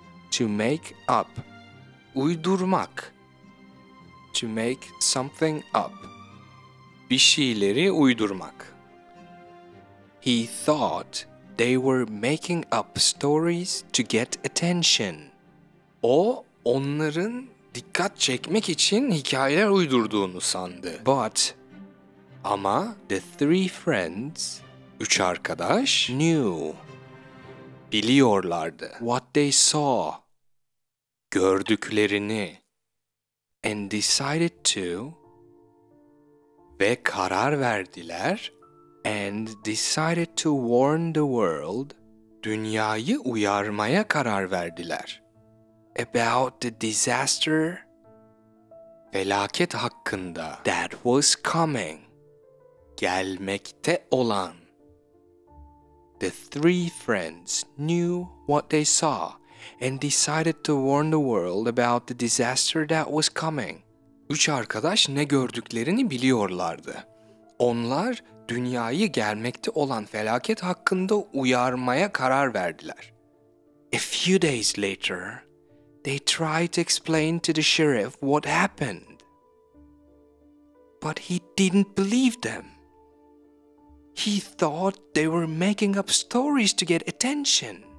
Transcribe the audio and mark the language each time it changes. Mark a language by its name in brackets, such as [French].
[English] To make up, uydurmak. To make something up, [Turkish] bir şeyleri uydurmak. [English] He thought they were making up stories to get attention. [Turkish] O onların dikkat çekmek için hikayeler uydurduğunu sandı. [English] But, ama the three friends, [Turkish] üç arkadaş, [English] knew, biliyorlardı. What they saw, gördüklerini. And decided to, [Turkish] ve karar verdiler. [English] And decided to warn the world, [Turkish] dünyayı uyarmaya karar verdiler. [English] About the disaster, [Turkish] felaket hakkında, [English] that was coming, [Turkish] gelmekte olan. [English] The three friends knew what they saw and decided to warn the world about the disaster that was coming. [Turkish] Üç arkadaş ne gördüklerini biliyorlardı. Onlar dünyayı gelmekte olan felaket hakkında uyarmaya karar verdiler. [English] A few days later, they tried to explain to the sheriff what happened. But he didn't believe them. He thought they were making up stories to get attention.